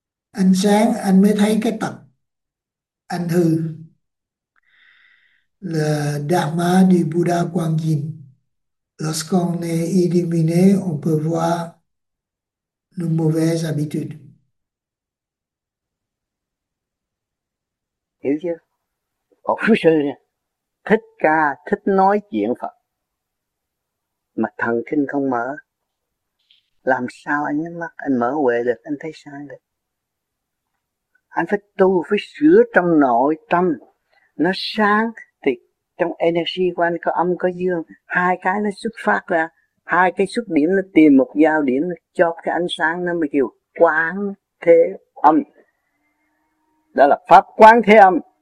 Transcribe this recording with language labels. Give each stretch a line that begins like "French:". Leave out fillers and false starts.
Vietnamese: Ánh sáng anh mới thấy cái tật anh hư.
French: Le Dharma du Bouddha Quang Yin. Lorsqu'on est illuminé, on peut voir nos mauvaises habitudes.
Vietnamese: Hiểu chưa? Một số sư thích ca, thích nói chuyện Phật mà thần kinh không mở, làm sao anh nhắm mắt anh mở huệ được, anh thấy sai được. Anh phải tu, phải sửa trong nội tâm nó sáng, thì trong energy của anh có âm có dương, hai cái nó xuất phát ra, hai cái xuất điểm nó tìm một giao điểm cho cái ánh sáng, nó mới kêu Quán Thế Âm. Đó là Pháp Quán Thế Âm.